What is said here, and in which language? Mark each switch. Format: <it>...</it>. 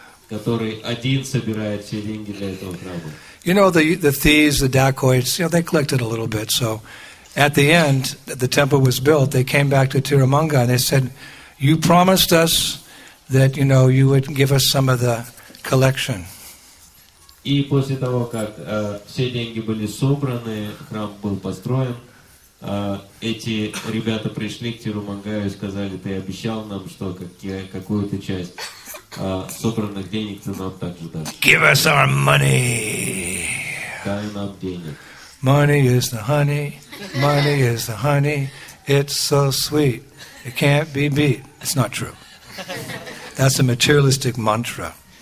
<en>You know, the thieves, the dacoits, you know, they collected a little bit. So at the end, the temple was built, they came back to Tirumanga and they said, you promised us that, you know, you would give us some of the collection.</en> <ru>И после того, как все деньги были собраны, храм был построен, эти ребята пришли к Тирумангаю и сказали, ты обещал нам, что какую-то часть собранных денег ты нам также дашь.</ru> <en>Give us our money!</en> <ru>Дай нам денег.</ru> <en>Money is the honey, money is the honey, it's so sweet, it can't be beat. It's not true. That's a materialistic mantra.</en>